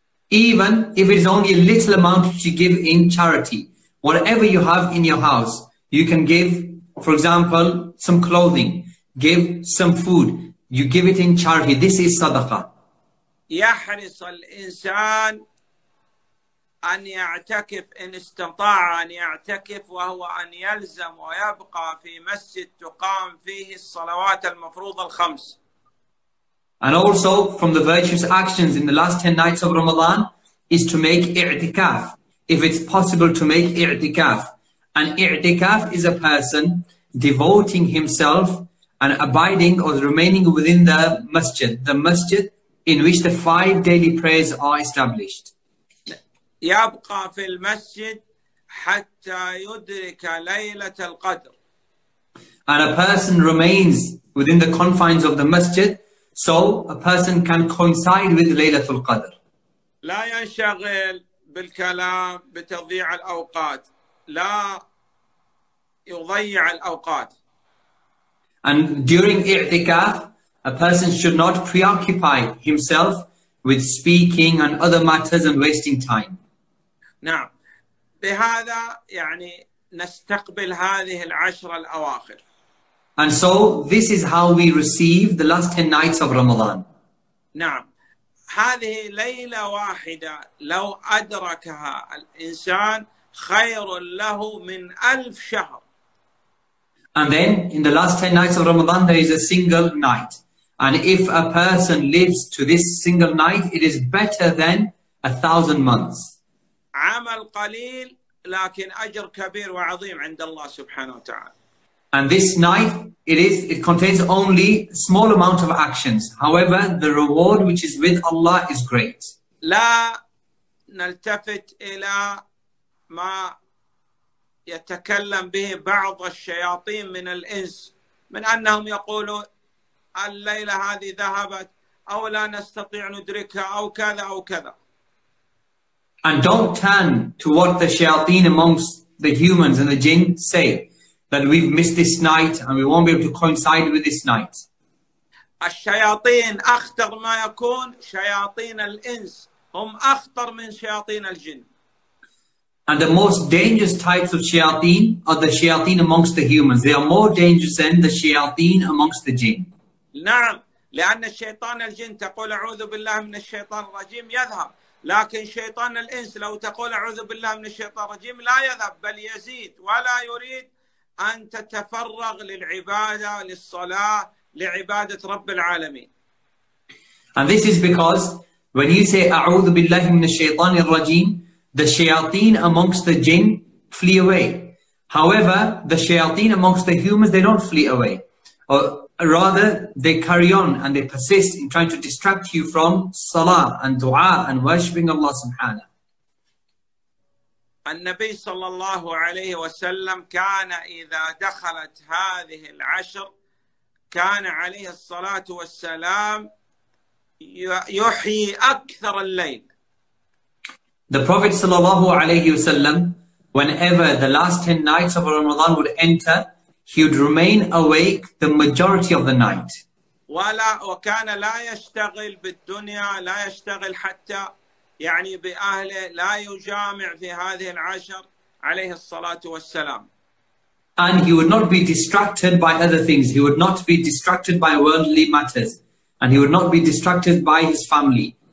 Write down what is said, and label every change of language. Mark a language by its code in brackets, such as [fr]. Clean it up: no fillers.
[en] Even if it's only a little amount to give in charity, whatever you have in your house, you can give, for example, some clothing, give some food, you give it in charity. This is صدقة. [ar] يحرص الإنسان أن يعتكف إن استطاع أن يعتكف وهو أن يلزم ويبقى في مسجد تقام فيه الصلوات المفروضة الخمس. [en] And also from the virtuous actions in the last 10 nights of Ramadan is to make i'tikaf, if it's possible to make i'tikaf. And i'tikaf is a person devoting himself and abiding or remaining within the masjid in which the five daily prayers are established. [ar] يبقى في المسجد حتى يدرك ليلة القدر. [en] And a person remains within the confines of the masjid so a person can coincide with Laylatul Qadr. [ar] لا ينشغل بالكلام بتضيع الأوقات لا يضيع الأوقات. [en] And during i'tikaf, a person should not preoccupy himself with speaking and other matters and wasting time. [ar] نعم بهذا يعني نستقبل هذه العشر الأواخر. [en] And so this is how we receive the last 10 nights of Ramadan. [ar] نعم هذه ليلة واحدة لو أدركها الإنسان خير له من ألف شهر. [en] And then in the last 10 nights of Ramadan there is a single night. And if a person lives to this single night it is better than 1,000 months. [ar] عمل قليل لكن أجر كبير وعظيم عند الله سبحانه وتعالى. [en] And this night, it contains only small amount of actions. However, the reward which is with Allah is great. [ar] لا نلتفت إلى ما يتكلم به بعض الشياطين من الإنس من أنهم يقولوا الليلة هذه ذهبت أو لا نستطيع ندركها أو كذا أو كذا. [en] And don't turn to what the shayateen amongst the humans and the jinn say that we've missed this night and we won't be able to coincide with this night. [ar] الشياطين أخطر ما يكون شياطين الإنس هم أخطر من شياطين الجن. [en] And the most dangerous types of shayateen are the shayateen amongst the humans. They are more dangerous than the shayateen amongst the jinn. [ar] نعم لأن الشيطان الجن تقول أعوذ بالله من الشيطان الرجيم يذهب. لكن شيطان الإنس لو تقول أعوذ بالله من الشيطان الرجيم لا يذهب بل يزيد ولا يريد أن تتفرغ للعبادة للصلاة لعبادة رب العالمين. [en] And this is because when you say [ar] أعوذ بالله من الشيطان الرجيم [en] the shayateen amongst the jinn flee away. However, the shayateen amongst the humans they don't flee away. Rather, they carry on and they persist in trying to distract you from salah and dua and worshipping Allah subhanahu. [ar] النبي صلى الله عليه وسلم كان إذا دخلت هذه العشر كان عليه الصلاة والسلام يحيي أكثر الليل. [en] The Prophet [ar] صلى الله عليه وسلم, [en] whenever the last 10 nights of Ramadan would enter, he would remain awake the majority of the night. [ar] ولا وكان لا يشتغل بالدنيا لا يشتغل حتى يعني بأهله لا يجامع في هذه العشر عليه الصلاة والسلام. [en] And he would not be distracted by other things. He would not be distracted by worldly matters, and he would not be distracted by his family.